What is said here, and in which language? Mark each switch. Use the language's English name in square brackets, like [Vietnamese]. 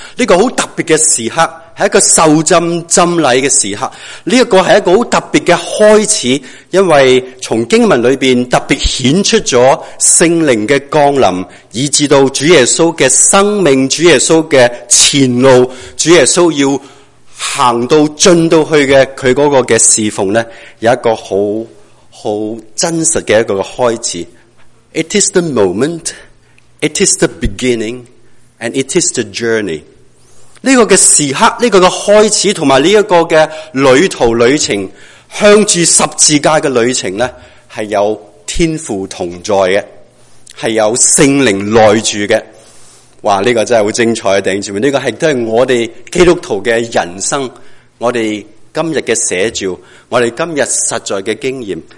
[Chinese] 这个很特别的时刻是一个受浸浸礼的时刻，这个是一个很特别的开始，因为从经文里面特别显出了圣灵的降临，以至到主耶稣的生命，主耶稣的前路，主耶稣要行到进到去的他那个的侍奉呢，有一个很真实的一个开始。 [English] It is the moment, it is the beginning, and it is the journey。 [Chinese] 这个的时刻，这个的开始，还有这个的旅途旅程，向着十字架的旅程呢，是有天父同在的，是有圣灵内住的。哇，这个真的很精彩，弟兄姊妹，这个是都是我们基督徒的人生，我们今日的写照，我们今日实在的经验。